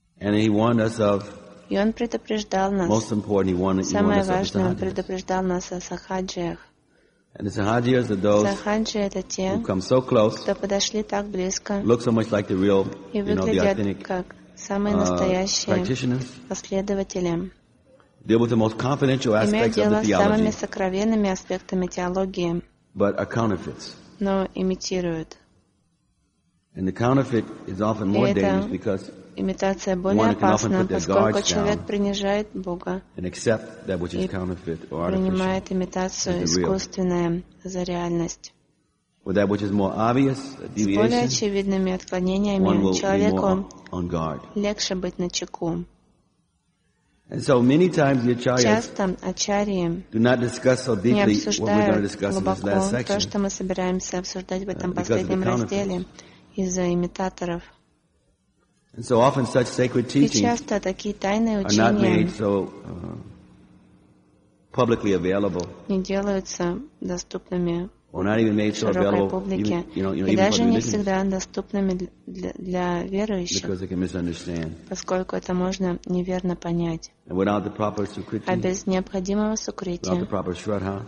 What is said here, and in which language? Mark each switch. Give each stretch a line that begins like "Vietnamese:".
Russian: И он предупреждал нас, самое важное, он предупреждал нас о сахаджиях.
English: And the sahajiyas are those who come so close,
Russian: кто подошли так близко,
English: look so much like the real, you know, the authentic,
Russian: как самые настоящие
English: practitioners,
Russian: последователи,
English: deal with the most confidential aspects of the theology,
Russian: имеют дело с самыми сокровенными аспектами теологии,
English: but are counterfeits,
Russian: но имитируют.
English: And the counterfeit is often more dangerous because
Russian: имитация более опасна, поскольку человек принижает Бога и принимает имитацию искусственную за реальность. С более очевидными отклонениями человеку легче быть начеку. Часто ачарьи не обсуждают глубоко то, что мы собираемся обсуждать в этом последнем разделе из-за имитаторов.
English: And so often such sacred teachings are not made so publicly available.
Russian: Не делаются доступными.
English: Or not even made so available,
Russian: и даже не всегда доступными для верующих.
English: Because they can misunderstand.
Russian: Поскольку это можно неверно понять.
English: And without the proper sukriti.
Russian: А без необходимого сукрити.
English: Without the proper shraddha.